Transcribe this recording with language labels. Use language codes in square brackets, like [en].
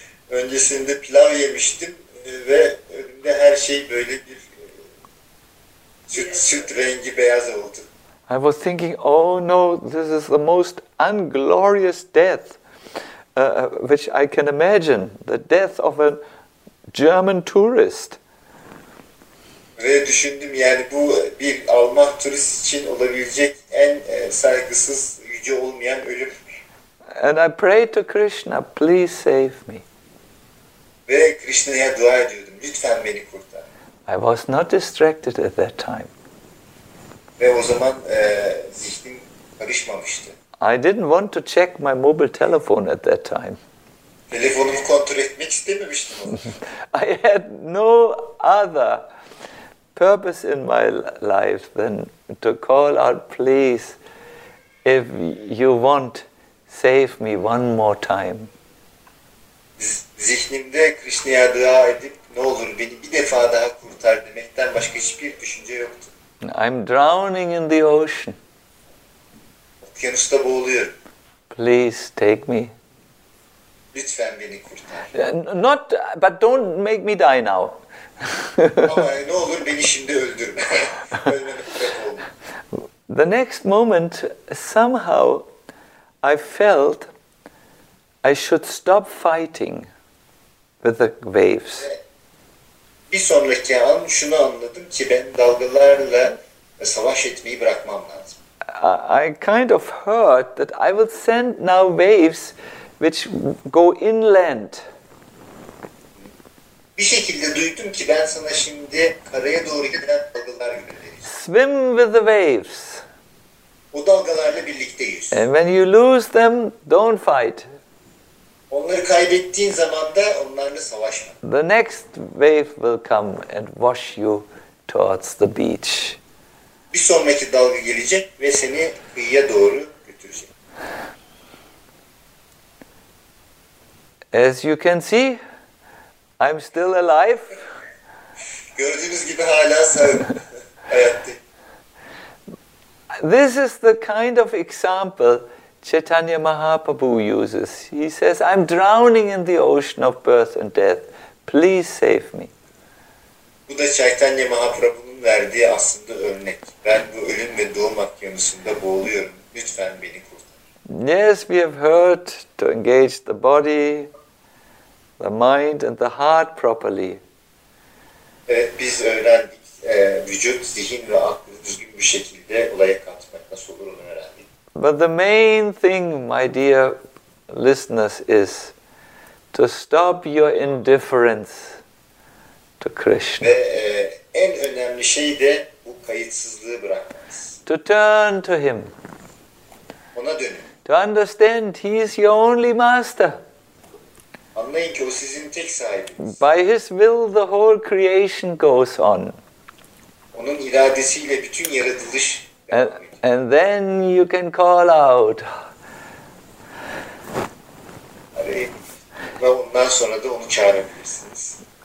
[tr] Öncesinde pilav yemiştim ve önümde her şey böyle bir süt rengi beyaz oldu. [en] I was thinking, oh no, this is the most unglorious death which I can imagine, the death of a German tourist. [tr] Ve düşündüm yani bu bir Alman turist için olabilecek en saygısız, yüce olmayan ölüm. [en] And I prayed to Krishna, please save me. [tr] Ve Krishna'ya dua ediyordum. Lütfen beni kurtar. [en] I was not distracted at that time. [tr] Ve o zaman zihnim karışmamıştı. [en] I didn't want to check my mobile telephone at that time. [tr] Telefonumu kontrol etmek istememiştim o zaman. [en] I had no other purpose in my life than to call out, please, if you want, save me one more time. [tr] Zihnimde Krishna'ya dua edip ne olur beni bir defa daha kurtar demekten başka hiçbir düşünce yoktu. [en] I'm drowning in the ocean. [tr] Okyanusta boğuluyorum. [en] Please take me. [tr] Lütfen beni kurtar. [en] But don't make me die now. [tr] Ama ne olur beni şimdi öldürme. Ölmeme sebep olma. [en] The next moment, somehow, I felt I should stop fighting with the waves. [tr] Bir sonraki an şunu anladım ki ben dalgalarla savaş etmeyi bırakmam lazım. [en] I kind of heard that I will send now waves which go inland. [tr] Bir şekilde duydum ki ben sana şimdi karaya doğru giden dalgalar göndereceğim. [en] Swim with the waves. [tr] O dalgalarla birlikte yüz. [en] And when you lose them, don't fight. [tr] Onları kaybettiğin zaman da onlarla savaşma. [en] The next wave will come and wash you towards the beach. [tr] Bir sonraki dalga gelecek ve seni kıyıya doğru götürecek. [en] As you can see, I'm still [tr] Gördüğünüz gibi hala sağım. Hayatta. [en] This is the kind of example Chaitanya Mahaprabhu uses. He says, I'm drowning in the ocean of birth and death. Please save me. [tr] Bu da Chaitanya Mahaprabhu'nun verdiği aslında örnek. Ben bu ölüm ve doğum okyanusunda boğuluyorum. Lütfen beni kurtar. [en] Yes, we have heard to engage the body, the mind and the heart properly. [tr] Evet, biz öğrendik. Vücut, zihin ve aklı düzgün bir şekilde olaya katmak nasıl olur onu öğrendik. [en] But the main thing, my dear listeners, is to stop your indifference to Krishna. [tr] Ve en önemli şey de bu kayıtsızlığı bırakmamız. [en] To turn to him. [tr] Ona dönün. [en] To understand he is your only master. [tr] Anlayın ki o sizin tek sahibiniz. [en] By his will the whole creation goes on. [tr] Onun iradesiyle bütün yaratılış [en] And [tr] devam ediyor. [en] then you can call out. [sa] Hare [tr] ve ondan sonra da onu çağırabilirsiniz.